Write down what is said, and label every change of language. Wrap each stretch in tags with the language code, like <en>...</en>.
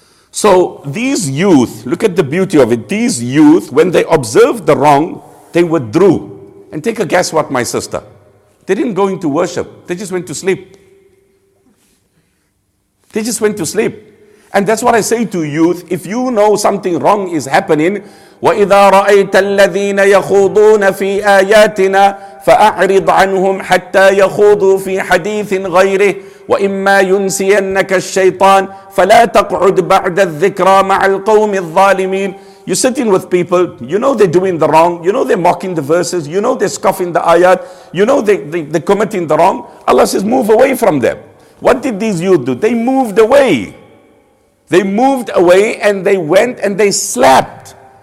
<en>So these youth, look at the beauty of it. These youth, when they observed the wrong, they withdrew. And take a guess what, my sister? They didn't go into worship. They just went to sleep. They just went to sleep. And that's what I say to youth. If you know something wrong is happening,</en> <ar>وَإِذَا رَأَيْتَ الَّذِينَ يَخُوضُونَ فِي آيَاتِنَا فَأَعْرِضْ عَنْهُمْ حَتَّى يَخُوضُوا فِي حَدِيثٍ غَيْرِهِ وَإِمَّا يُنْسِيَنَّكَ الشَّيْطَانِ فَلَا تَقْعُدْ بَعْدَ الذِّكْرَى مَعَ الْقَوْمِ الظَّالِمِينَ.</ar> <en>You're sitting with people, you know they're doing the wrong, you know they're mocking the verses, you know they're scoffing the ayat, you know they're committing the wrong. Allah says, move away from them. What did these youth do? They moved away. They moved away and they went and they slept.</en>